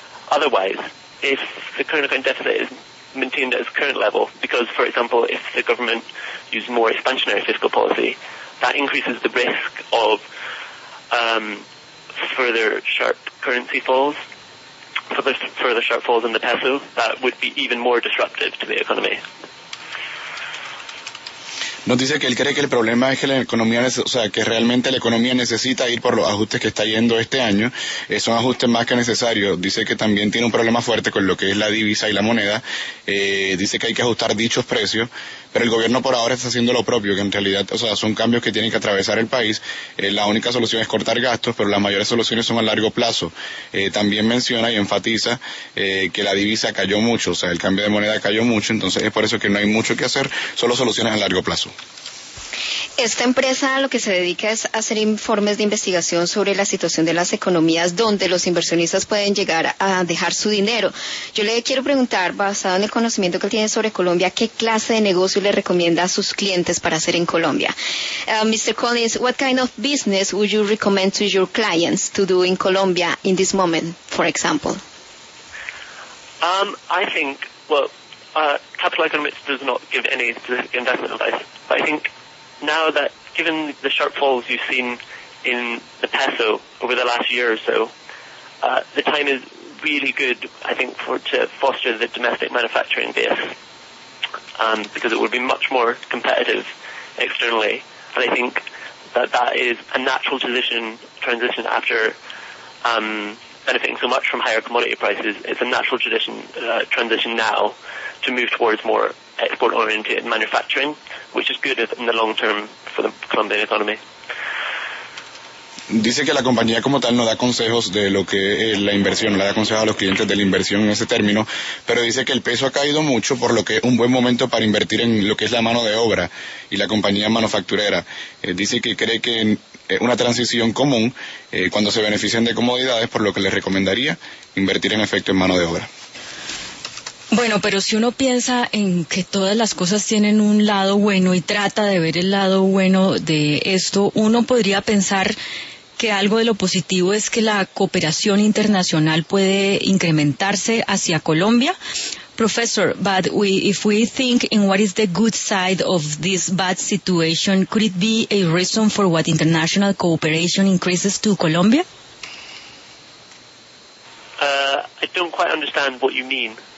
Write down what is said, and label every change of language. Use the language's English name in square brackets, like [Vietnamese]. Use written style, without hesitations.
[English] Otherwise, if the current account deficit is maintained at its current level, because, for example, if the government uses more expansionary fiscal policy, that increases the risk of further sharp currency falls, further sharp falls in the peso, that would be even more disruptive to the economy. [Spanish] nos dice que él cree que el problema es que la economía, o sea, que realmente la economía necesita ir por los ajustes que está yendo este año. Son ajustes más que necesarios. Dice que también tiene un problema fuerte con lo que es la divisa y la moneda. Dice que hay que ajustar dichos precios, pero el gobierno por ahora está haciendo lo propio, que en realidad, o sea, son cambios que tienen que atravesar el país. La única solución es cortar gastos, pero las mayores soluciones son a largo plazo. También menciona y enfatiza que la divisa cayó mucho, o sea, el cambio de moneda cayó mucho, entonces es por eso que no hay mucho que hacer, solo soluciones a largo plazo. Esta empresa lo que se dedica es a hacer informes de investigación sobre la situación de las economías donde los inversionistas pueden llegar a dejar su dinero. Yo le quiero preguntar, basado en el conocimiento que él tiene sobre Colombia, ¿qué clase de negocio le recomienda a sus clientes para hacer en Colombia? [English] Mr. Collins, what kind of business would you recommend to your clients to do in Colombia in this moment, for example? I think, Capital Economics does not give any specific investment advice. But I think now that, given the sharp falls you've seen in the peso over the last year or so, the time is really good, I think, to foster the domestic manufacturing base, because it would be much more competitive externally. And I think that is a natural transition after benefiting so much from higher commodity prices. It's a natural transition now to move towards more export-oriented manufacturing, which is good in the long term for the Colombian economy. [Spanish] Dice que la compañía como tal no da consejos de lo que es la inversión, no le da consejos a los clientes de la inversión en ese término, pero dice que el peso ha caído mucho, por lo que es un buen momento para invertir en lo que es la mano de obra y la compañía manufacturera. Dice que cree que es una transición común cuando se benefician de comodidades, por lo que les recomendaría invertir en efecto en mano de obra. Bueno, pero si uno piensa en que todas las cosas tienen un lado bueno y trata de ver el lado bueno de esto, uno podría pensar que algo de lo positivo es que la cooperación internacional puede incrementarse hacia Colombia. [English] Professor, but if we think in what is the good side of this bad situation, could it be a reason for what international cooperation increases to Colombia? I don't quite understand what you mean.